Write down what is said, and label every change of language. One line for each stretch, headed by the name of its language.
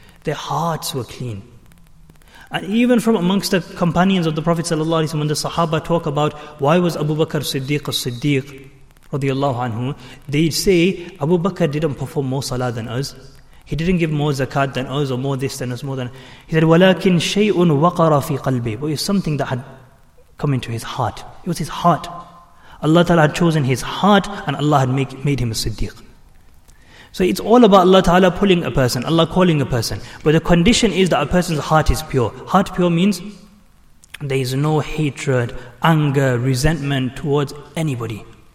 English: Their hearts were clean. And even from amongst the companions of the Prophet ﷺ, when the Sahaba talk about why was Abu Bakr Siddiq as-Siddiq radiallahu anhu, they say Abu Bakr didn't perform more salah than us. He didn't give more zakat than us, or more this than us, more than... He said,
Arabic: وَلَكِنْ شَيْءٌ وَقَرَ فِي قَلْبِي.
English: But it was something that had come into his heart. It was his heart. Allah Ta'ala had chosen his heart, and Allah had made him a Siddiq. So it's all about Allah Ta'ala pulling a person, Allah calling a person. But the condition is that a person's heart is pure. Heart pure means there is no hatred, anger, resentment towards anybody.